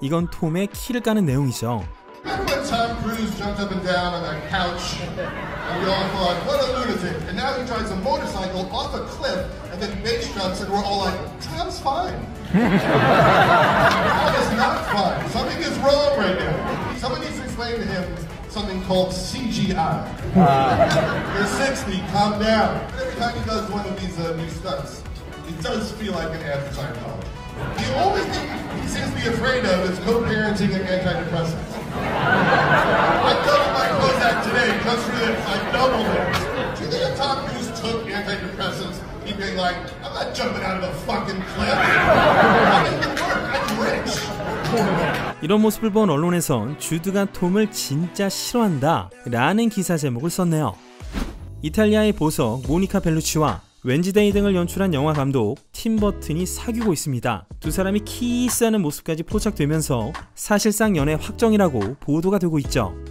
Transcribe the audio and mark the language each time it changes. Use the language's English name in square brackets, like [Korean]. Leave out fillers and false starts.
[Korean] 이건 톰의 키를 까는 내용이죠. [English] Tom Cruise jumped up and down on that couch, and we all thought, what a lunatic! And now he drives a motorcycle off a cliff and then base jumps, and we're all like, Tom's fine. Tom is not fine. Something is wrong right now. Someone needs to explain to him something called CGI. You're 60. Calm down. Every time he does one of these new stunts. It does feel like an anti-child. The only thing he seems to be afraid of is co-parenting and antidepressants. I doubled my Prozac today, just for this, I doubled it. Do you think if Tom Cruise took antidepressants, he'd be like, I'm not jumping out of a fucking cliff. I can work, I'm rich. [Korean] 이런 모습을 본 언론에선 주드가 톰을 진짜 싫어한다 라는 기사 제목을 썼네요. 이탈리아의 보석 모니카 벨루치와 웬즈데이 등을 연출한 영화감독 팀 버튼이 사귀고 있습니다. 두 사람이 키스 하는 모습까지 포착되면서 사실상 연애 확정이라고 보도가 되고 있죠.